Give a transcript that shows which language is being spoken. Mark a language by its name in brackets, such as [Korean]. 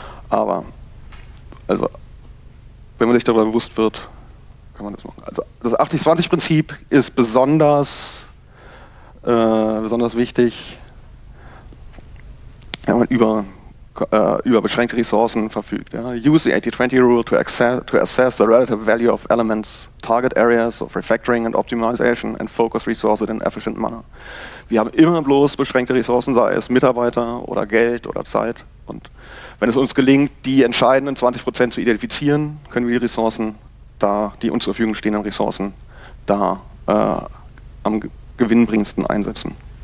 [German] Aber, also, wenn man sich darüber bewusst wird, kann man das machen. Also, das 80-20-Prinzip ist besonders wichtig, wenn man über über beschränkte Ressourcen verfügt. Ja. [English] Use the 80-20 rule to assess the relative value of elements, target areas of refactoring and optimization and focus resources in an efficient manner. [German] Wir haben immer bloß beschränkte Ressourcen, sei es Mitarbeiter oder Geld oder Zeit. Und wenn es uns gelingt, die entscheidenden 20% zu identifizieren, können wir die Ressourcen da, die uns zur Verfügung stehenden Ressourcen, da am gewinnbringendsten einsetzen.